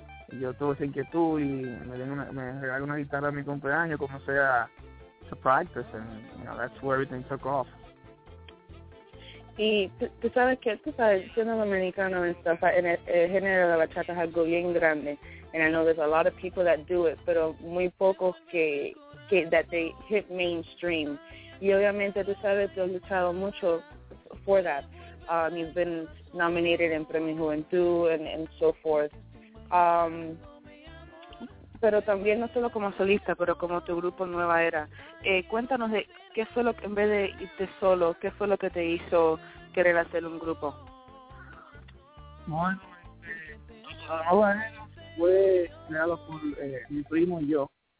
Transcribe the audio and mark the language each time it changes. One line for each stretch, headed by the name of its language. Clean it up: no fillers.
Spanish: Yo tuve sin que tú y me regalé una guitarra a mi cumpleaños, como sea...
English: to practice, and you know, that's where everything took off.
Spanish: Y tú sabes que tú sabes siendo dominicano y stuff, en el género de bachata es algo bien grande,
English: and I know there's a lot of people that do it,
Spanish: pero muy pocos que
English: that they hit mainstream.
Spanish: Y obviamente tú sabes que has luchado mucho
English: for that. You've been nominated in Premio Juventud and so forth.
Spanish: Pero también no solo como solista, pero como tu grupo Nueva Era. Cuéntanos de qué fue lo que, en vez de irte solo, qué fue lo que te hizo querer hacer un grupo. Bueno, Nueva Era fue creado por mi primo y yo.